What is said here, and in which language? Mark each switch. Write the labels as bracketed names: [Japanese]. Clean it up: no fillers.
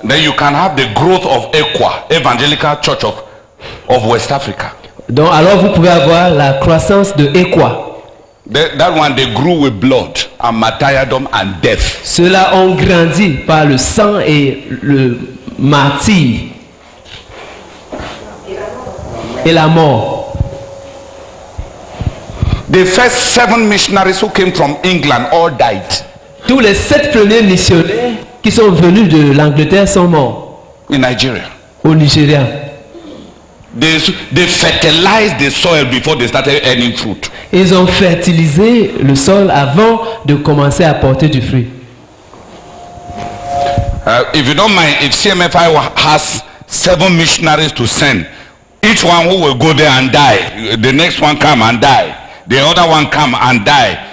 [English] then you can have the growth of EQUA, Evangelical Church of West Africa. [French] Donc alors vous pouvez avoir la croissance de EQUA. [English] That one they grew with blood and martyrdom and death. [French] Cela ont grandi par le sang et le martyre et la mort. [English] The first 7 missionaries who came from England all died. [French] Tous les 7 premiers missionnaires qui sont venus de l'Angleterre sont morts. [English] In Nigeria. [French] Au Nigeria. [English] They fertilized the soil before they started earning fruit. [French] Ils ont fertilisé le sol avant de commencer à porter du fruit. [English] If you don't mind, if CMFI has 7 missionaries to send, each one who will go there and die, the next one come and die, the other one come and die.